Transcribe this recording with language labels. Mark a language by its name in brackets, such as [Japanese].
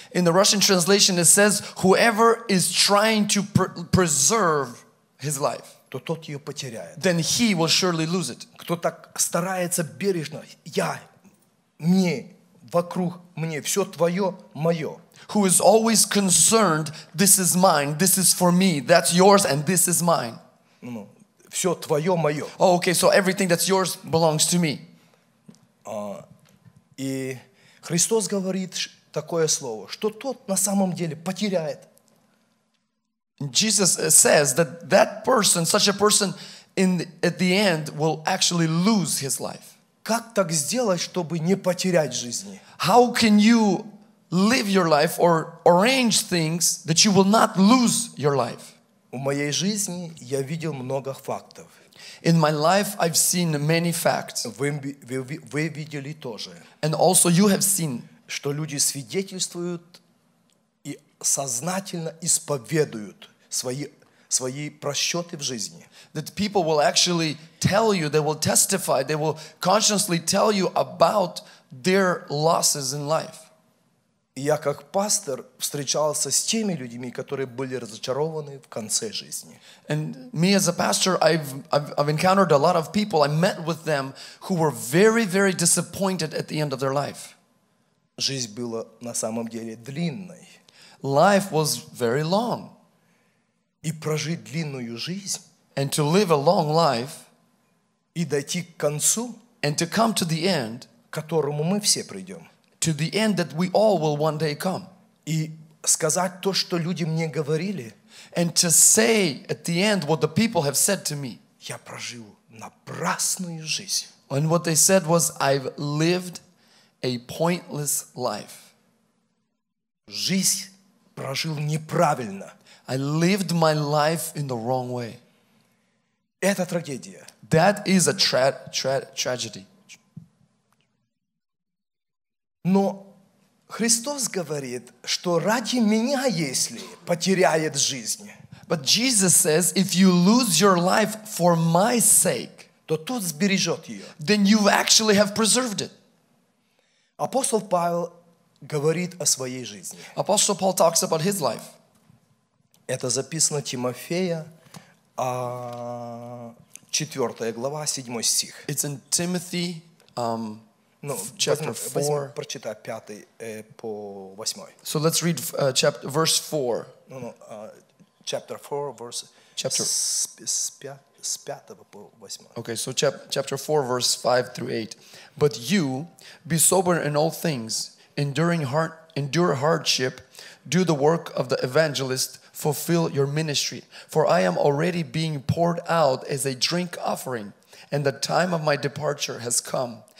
[English] In the Russian translation it says, whoever is trying to preserve his life. [Russian] То тот ее потеряет. [English] Then he will surely lose it. [Russian] Кто так старается бережно, я, мне, вокруг мне, все твое, мое. [English] Who is always concerned, this is mine, this is for me, that's yours and this is mine. [Russian] Ну, все твое, мое. [English] Oh, okay, so everything that's yours belongs to me. [Russian] И Христос говорит такое слово, что тот на самом деле потеряет. [English] Jesus says that that person, such a person, at the end will actually lose his life. [Russian] Как так сделать, чтобы не потерять жизни? [English] How can you live your life or arrange things that you will not lose your life? [Russian] В моей жизни я видел много фактов. [English] In my life, I've seen many facts. [Russian] Вы видели тоже. [English] And also you have seen, [Russian] что люди свидетельствуют и сознательно исповедуют свои просчеты в жизни. [English] That people will actually tell you, they will testify, they will consciously tell you about their losses in life. [Russian] Я как пастор встречался с теми людьми, которые были разочарованы в конце жизни. [English] And me as a pastor, I've encountered a lot of people. I met with them who were very, very disappointed at the end of their life. [Russian] Жизнь была на самом деле длинной. [English] Life was very long. [Russian] И прожить длинную жизнь. [English] And to live a long life. [Russian] И дойти к концу. [English] And to come to the end. [Russian] К которому мы все придем. [English] To the end that we all will one day come. [Russian] И сказать то, что люди мне говорили. [English] And to say at the end what the people have said to me. [Russian] Я прожил напрасную жизнь. [English] And what they said was, I've lived a pointless life. [Russian] Жизнь прожил неправильно. [English] I lived my life in the wrong way. [Russian] Это трагедия. [English] That is a tragedy. [Russian] Но Христос говорит, что ради меня, если потеряет жизнь, [English] but Jesus says, if you lose your life for my sake, [Russian] то тот сбережет ее. [English] Then you actually have preserved it. [Russian] Апостол Павел говорит о своей жизни. [English] Apostle Paul talks about his life. [Russian] Это записано Тимофея, 4 глава, 7 стих. [English] It's in Timothy, chapter 4. [Russian] Прочитай 5 по 8. [English] So let's read verse 4. Chapter 4, [Russian] с 5 по 8. [English] Okay, so chapter 4, verse 5 through 8. But you, be sober in all things, endure hardship, do the work of the evangelist, fulfill your ministry. For I am already being poured out as a drink offering, and the time of my departure has come.